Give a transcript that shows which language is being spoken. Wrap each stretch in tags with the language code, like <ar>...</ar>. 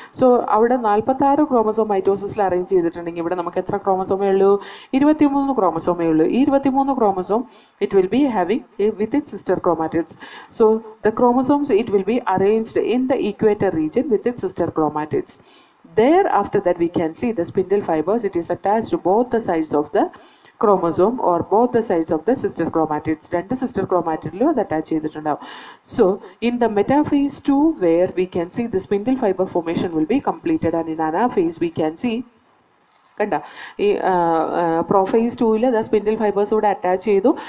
<ml>So അവിടെ 46 chromosome മൈറ്റോസിസിൽ arrange ചെയ്തിട്ടുണ്ടെങ്കിൽ ഇവിടെ നമുക്ക് എത്ര ക്രോമസോമേ ഉള്ളൂ? 23 ക്രോമസോമേ ഉള്ളൂ.</ml> <en>ഈ 23 chromosome it will be having with it sister chromatids. So the chromosomes it will be arranged in the equator region with it sister chromatids. There, after that, we can see the spindle fibers. It is attached to both the sides of the chromosome or both the sides of the sister chromatids.</en> <ml>രണ്ട് sister ക്രോമാറ്റിഡിലും അത് attach ചെയ്തിട്ടുണ്ടാവും.</ml> <en>so in the metaphase two where we can see the spindle fibre formation will be completed and in ആ phase we can see</en> <ml>കണ്ട ഈ prophase ടൂവിൽ</ml> <en>The spindle fibres ഇവിടെ attach ചെയ്തു.</en>